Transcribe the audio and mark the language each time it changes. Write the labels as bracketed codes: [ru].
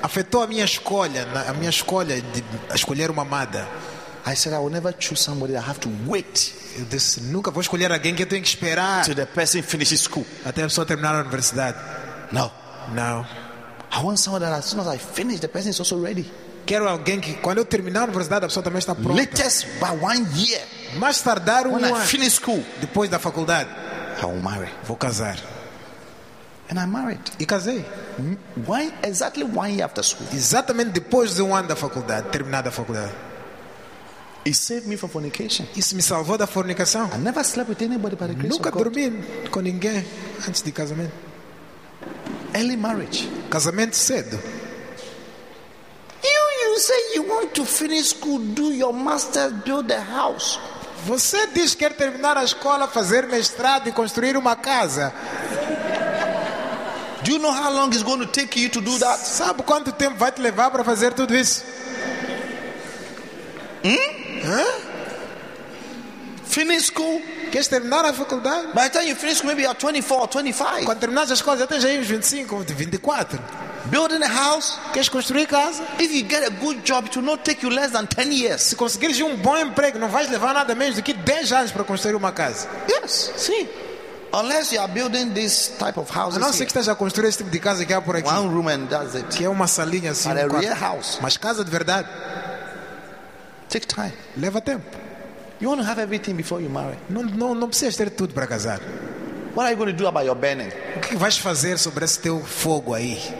[pt] Afetou a minha escolha de escolher uma amada. [en] I said I will never choose somebody that I have to wait. [pt] Eu disse, nunca vou escolher alguém que eu tenho que esperar. [en] Till the person finishes school. [pt] Até a pessoa terminar a universidade. [en] No. No. I want someone that as soon as I finish, the person is also ready. [pt] Quero alguém que quando eu terminar a universidade a pessoa também está pronta. [en] Latest by 1 year. [pt] Mais tardar um [en] when [pt] ano. [en] I finish school, [pt] depois da faculdade. [en] I will marry. [pt] Vou casar. [en] And I married. [pt] E casei. [en] Exactly 1 year after school. [pt] Exatamente depois de 1 ano da faculdade, terminada a faculdade. [en] It saved me from fornication. [pt] Isso me salvou da fornicação. [en] I never slept with anybody but the grace [pt] nunca [en] of God. [pt] Dormi com ninguém antes de casamento. [en] Early marriage. [pt] Casamento cedo. [en] You say you want to finish school, do your master's, build a house. [pt] Você diz que quer terminar a escola, fazer mestrado e construir uma casa. [en] Do you know how long it's going to take you to do that? [pt] Sabe quanto tempo vai te levar para fazer tudo isso? Hmm? Huh? [en] Finish school? [pt] Quer terminar a faculdade? [en] By the time you finish school, maybe you're 24 or 25. [pt] Quando terminar a escola, já tens aí uns 25, 24. [en] Building a house, [pt] queres construir casa? [en] If you get a good job, it will not take you less than 10 years. [pt] Se conseguires um bom emprego, não vais levar nada menos do que 10 anos para construir uma casa. [en] Yes, [pt] sim. [en] Unless you are building this type of houses. [pt] Não sei que estás a construir esse tipo de casa que há por aqui. [en] One room and that's it. [pt] Que é uma salinha assim. [en] But a real house. [pt] Mas casa de verdade. [en] Take time. [pt] Leva tempo. [en] You want to have everything before you marry. [pt] Não precisas ter tudo para casar. [en] What are you going to do about your burning? [pt] O que vais fazer sobre esse teu fogo aí?